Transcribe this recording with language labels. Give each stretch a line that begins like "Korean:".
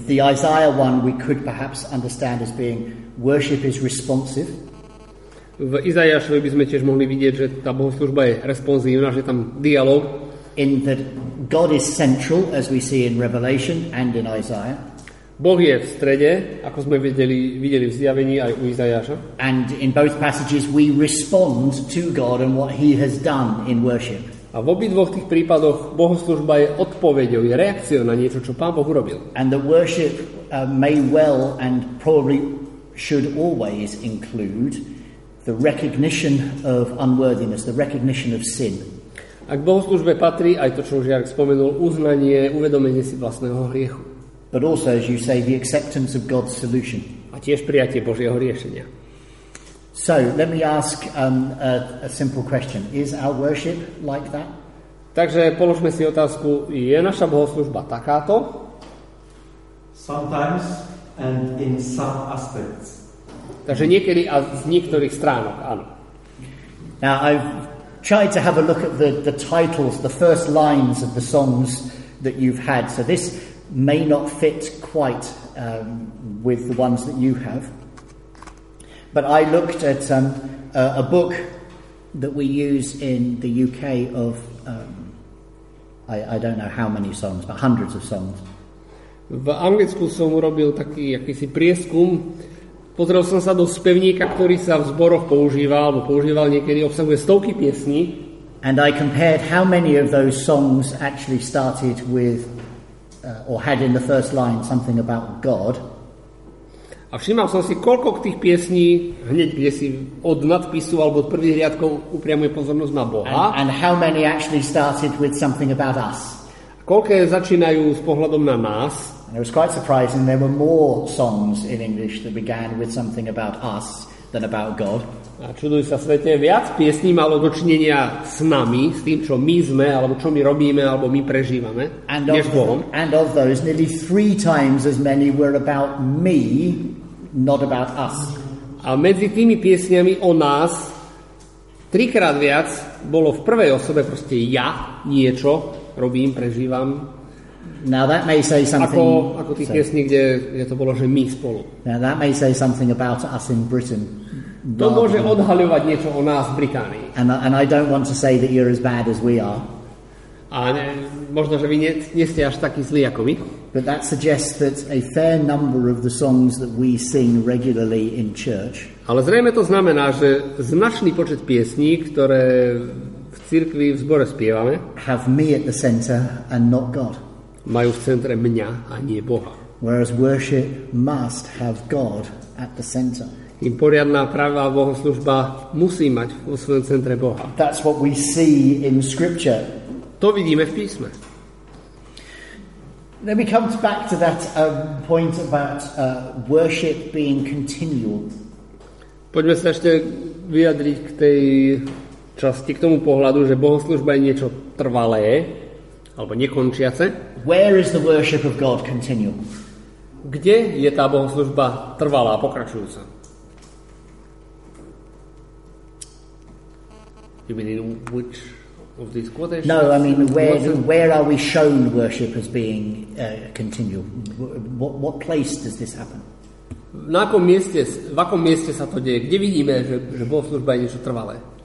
English: The Isaiah one we could perhaps understand as being worship is responsive.
Slovak: V Izaiášovi by sme tiež mohli vidieť, že tá bohoslužba je responsívna, že tam dialog.
English: In that God is central, as we see in Revelation and in Isaiah.
Slovak: Boh je v strede, ako sme videli v zjavení aj u Izaiáša.
English: And in both passages we respond to God and what he has done in worship.
Slovak: A v obidvoch tých prípadoch bohoslužba je odpoveďou, je reakciou na niečo, čo Pán Boh urobil.
English: And the worship may well and probably should always include the recognition of unworthiness, the recognition of sin.
Slovak: A k bohoslužbe patrí aj to, čo už Jarek spomenul, uznanie, uvedomenie si vlastného hriechu.
English: But also, as you say, the acceptance of God's solution.
Slovak: A tiež prijatie Božieho riešenia.
English: So, let me ask a simple question. Is our worship like that?
Slovak: Takže položme si otázku, je naša bohoslužba takáto?
English: Sometimes and in some aspects.
Slovak: Takže niekedy a z niektorých stránok, áno.
English: Now, I've tried to have a look at the titles, the first lines of the songs that you've had. So this may not fit quite with the ones that you have. But I looked at a book that we use in the UK of, I don't know how many songs, but hundreds of songs.
Slovak: V Anglicku som urobil taký jakýsi prieskum. Pozrel som sa do spevníka, ktorý sa v zboroch používal, alebo používal niekedy, obsahuje stovky piesní.
English: And I compared how many of those songs actually started with or had in the first line something about God.
Slovak: A všimal som si, koľko tých piesní hneď kde si od nadpisu alebo od prvých riadkov upriamuje pozornosť na Boha.
English: And how many actually started with something about us.
Slovak: Koľko začínajú s pohľadom na nás.
English: And it was quite surprising there were more songs in English that began with something about us than about God.
Slovak: A čuduj sa svete, viac piesní malo dočinenia s nami, s tým, čo my sme, alebo čo my robíme, alebo my prežívame, and než Bohom.
English: And of those, nearly three times as many were about me, not about us.
Slovak: A medzi tými piesňami o nás, trikrát viac bolo v prvej osobe proste ja niečo robím, prežívam.
English: Now that may say something.
Slovak: Ako tých piesní, kde je to bolo, že my spolu.
English: Now that may say something about us in Britain.
Slovak: To môže odhaľovať niečo o nás v Británii.
English: And I don't want to say that you're as bad as we are.
Slovak: A ne, možno, že vy nie ste až takí zlí ako my.
English: But that suggests that a fair number of the songs that we sing regularly in church.
Slovak: Ale zrejme to znamená, že značný počet piesní, ktoré v cirkvi v zbore spievame,
English: have me at the center and not God.
Slovak: Majú v centre mňa a nie Boha.
English: Whereas worship must have God at the center.
Slovak: Im poriadna pravá bohoslužba musí mať vo svojom centre Boha.
English: That's what we see in scripture.
Slovak: To vidíme v písme.
English: Then we come back to that point about worship being continual.
Czech: Pojďme se ještě vyjadřit k té části, k tomu pohledu, že bohoslužba je něco trvalé,
Slovak: alebo nekončiace.
English: Where is the worship of God continual?
Czech: Kde je ta bohoslužba trvalá, pokračující?
English: You mean in which of these quotations? No, I mean where are we shown worship as being continual? What place does this happen?
Slovak: Na akom mieste, v akom mieste sa to deje? Kde vidíme, že bohoslužba je niečo trvalé?